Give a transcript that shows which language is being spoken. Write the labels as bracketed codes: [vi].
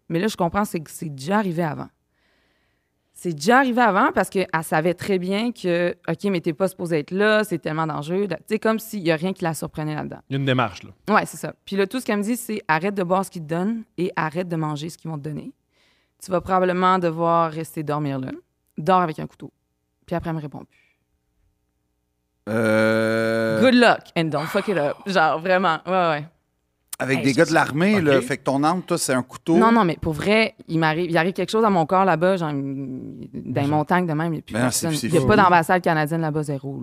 [fr] Mais là, je comprends, c'est que c'est déjà arrivé avant. C'est déjà arrivé avant parce qu'elle savait très bien que, OK, mais t'es pas supposé être là, c'est tellement dangereux. Tu sais, comme s'il y a rien qui la surprenait là-dedans. Il y a une démarche, là. Ouais, c'est ça. Puis là, tout ce qu'elle me dit, c'est arrête de boire ce qu'ils te donnent et arrête de manger ce qu'ils vont te donner. tu vas probablement devoir rester dormir là. Dors avec un couteau. Puis après, elle me répond plus. [en] Good luck and don't fuck it up. [fr] Genre, vraiment. Ouais, ouais. Avec des gars de l'armée, okay. Là. Fait que ton arme, toi, c'est un couteau. Non, non, mais pour vrai, il arrive quelque chose à mon corps là-bas, genre, dans les montagnes de même. Il n'y a pas d'ambassade canadienne là-bas, zéro.